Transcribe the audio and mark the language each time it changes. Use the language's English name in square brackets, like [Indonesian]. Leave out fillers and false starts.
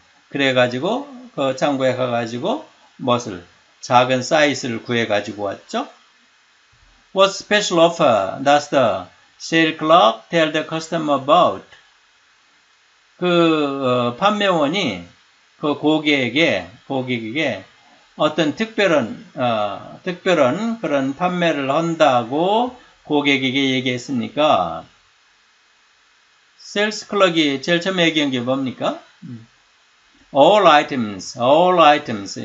[Korean] 그래가지고 그 창고에 가가지고 무엇을 작은 사이즈를 구해가지고 왔죠. [English] What special offer does the sale clerk tell the customer about? [Korean] 그 판매원이 그 고객에게 어떤 특별한 그런 판매를 한다고 고객에게 얘기했습니까? Sales clerk이 제일 처음에 얘기한 게 뭡니까? [English] All items.